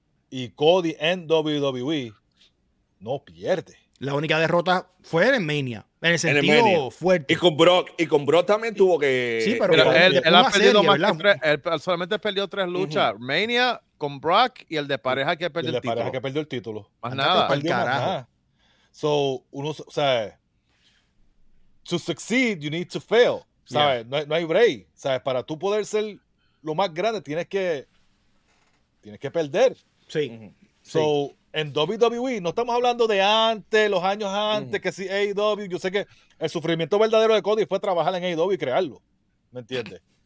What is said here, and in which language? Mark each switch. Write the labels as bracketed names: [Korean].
[Spanish] Y Cody en WWE no pierde. La única derrota fue en Mania. En el sentido fuerte. Y con Brock. Y con Brock también tuvo que... Sí, pero él ha perdido serie, más ¿verdad? Que tres. Él solamente perdió tres luchas. Uh-huh. Mania, con Brock y el de pareja que perdió el título. Más nada. [English] So, [Spanish] uno, o sea, [English] to succeed, you need to fail. [Spanish] ¿Sabes? Yeah. No hay break. ¿Sabes? Para tú poder ser lo más grande, tienes que perder. Sí. Uh-huh. So... Sí. En WWE, no estamos hablando de antes, los años antes, que si AEW, yo sé que el sufrimiento verdadero de Cody fue trabajar en AEW y crearlo, ¿me entiendes?